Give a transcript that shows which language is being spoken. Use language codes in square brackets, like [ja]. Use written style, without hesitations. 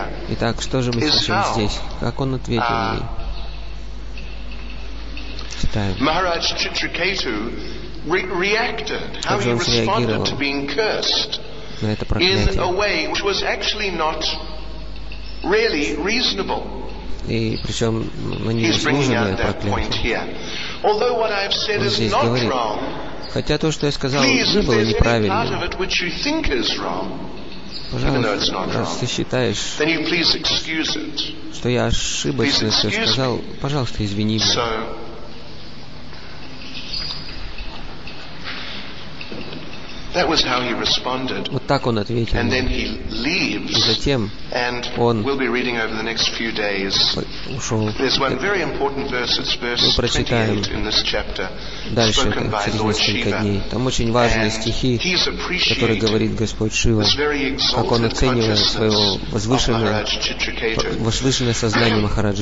[ru] Итак, что же мы слышим здесь? Как он ответил ей? Читаем. Махарадж Читракету реагировал, как он реагировал на это проклятие. [en] In a way which was actually not really reasonable. [ru] И причем на незаслуженное проклятие. [en] Although what I have said is not wrong, [ru] хотя то, что я сказал, не было неправильно. [en] Please, if there's any part of it which you think is wrong, [ru] пожалуйста, считаешь, [en] then you please excuse it. [ru] Что я ошибочно все сказал, пожалуйста, извини меня. [en] That was how he responded. [ru] Вот так он ответил. [en] And then he leaves. [ru] И затем он [en] we'll be reading over the next few days. [ru] Ушел. [en] There's one very important verse. It's verse 28 in this chapter. [ru] Дальше, через несколько дней. Там очень важные стихи, которые говорит Господь Шива, как он оценивает свое возвышенное сознание Махараджи